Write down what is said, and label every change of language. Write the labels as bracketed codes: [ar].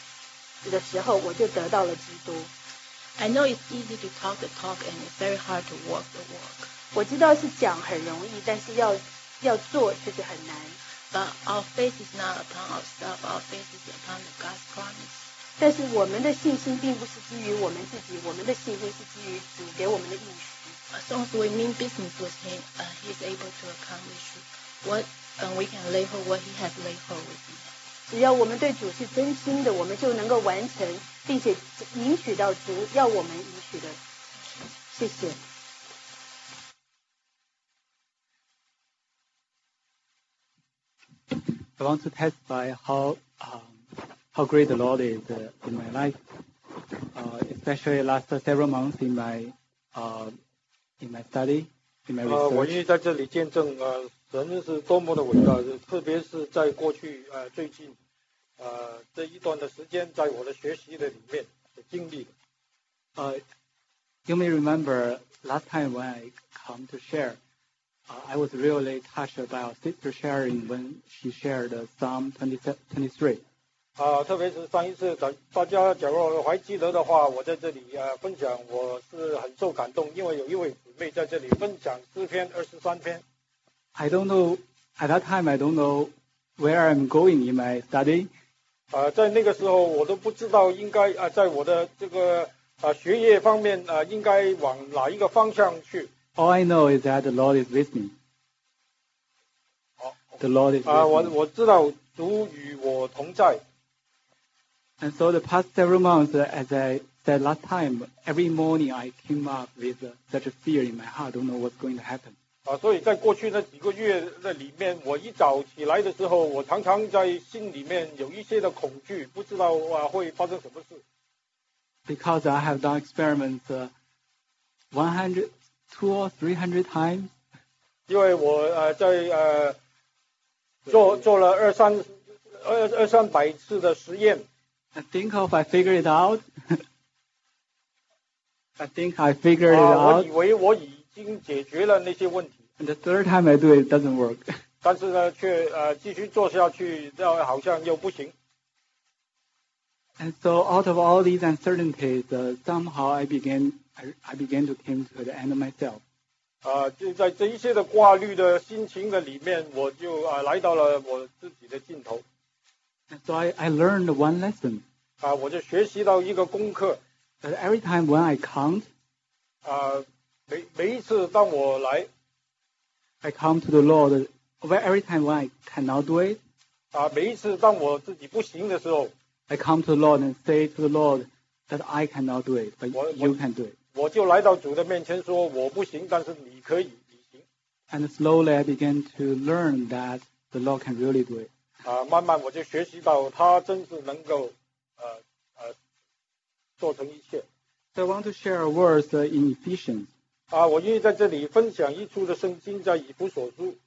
[zh] 所以呢,并且我能够经历主所预备给我包罗万有的爱,跟超过我们所理解、所能想象的这个爱的时候,我就得到了基督。 [en] I know it's easy to talk the talk and it's very hard to walk the walk. [zh] 我知道是讲很容易,但是要做就是很难。 [en] But our faith is not upon ourselves, our faith is upon the God's promise. [zh] 但是我们的信心并不是基于我们自己，我们的信心是基于主给我们的应许。 [en] As long as we mean business with him, he's able to accomplish what we can lay hold what he has laid hold with me. [zh] 只要我们对主是真心的，我们就能够完成，并且允许到主要我们允许的。谢谢。 [en] I want to testify how great the Lord is in my life, especially last several months in my study, in my research. [zh] 我愿意在这里见证，神是多么的伟大，特别是在过去最近这一段的时间在我的学习的里面的经历的。 [en] You may remember last time when I come to share, I was really touched by our sister sharing when she shared Psalm 23. [zh] 特别是上一次大家假如还记得的话，我在这里分享，我是很受感动，因为有一位姊妹在这里分享诗篇23篇。 [en] I don't know, at that time, I don't know where I'm going in my study. [zh] 在那个时候我都不知道应该在我的这个学业方面应该往哪一个方向去。 [en] All I know is that the Lord is with me. The Lord is with me. [zh] 我知道主与我同在。 [en] And so the past several months, as I said last time, every morning I came up with such a fear in my heart, I don't know what's going to happen. [zh] 所以在过去那几个月的里面，我一早起来的时候，我常常在心里面有一些的恐惧，不知道会发生什么事。 [en] Because I have done experiments 100, 200 or 300 times. [zh] 因为我在做了二三百次的实验。 [en] I think of I figured it out. I think I figured it out. [zh] 我以为我已经解决了那些问题。 [en] And the third time I do it, doesn't work. [zh] 但是呢，却继续做下去，好像又不行。 [en] And so out of all these uncertainties, somehow I began to come to the end of myself. [zh] 就在这一些的挂虑的心情的里面，我就来到了我自己的尽头。 [en] And so I learned one lesson. [zh] 我就学习到一个功课。 [en] But every time when I count, [zh] 每一次当我来 [en] I come to the Lord, every time when I cannot do it, [zh] 每一次当我自己不行的时候 [en] I come to the Lord and say to the Lord that I cannot do it, but you can do it. [zh] 我就来到主的面前说我不行，但是你可以，你行。 [en] And slowly I began to learn that the Lord can really do it. [zh] 慢慢我就学习到他真是能够做成一切。 [en] So I want to share a word in Ephesians. [zh] 我愿意在这里分享一处的圣经，在以弗所书。